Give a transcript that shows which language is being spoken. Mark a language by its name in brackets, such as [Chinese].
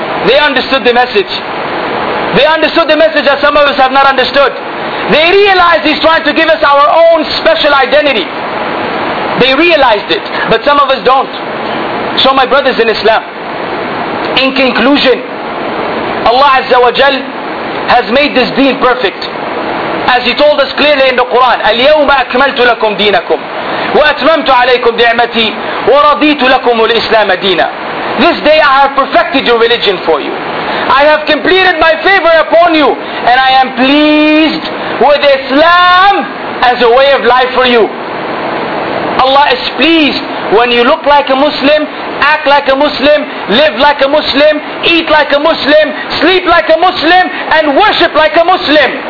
[English] They understood the message. They understood the message that some of us have not understood. They realized he's trying to give us our own special identity. They realized it, but some of us don't. So my brothers in Islam, in conclusion, Allah Azza wa Jal has made this deen perfect. As he told us clearly in the Quran, [Arabic] الْيَوْمَ أَكْمَلْتُ لَكُمْ دِينَكُمْ وَأَتْمَمْتُ عَلَيْكُمْ دِعْمَتِي وَرَضِيتُ لَكُمُ الْإِسْلَامَ دِينَ. [English] This day I have perfected your religion for you. I have completed my favor upon you, and I am pleased with Islam as a way of life for you. Allah is pleased when you look like a Muslim, act like a Muslim, live like a Muslim, eat like a Muslim, sleep like a Muslim, and worship like a Muslim.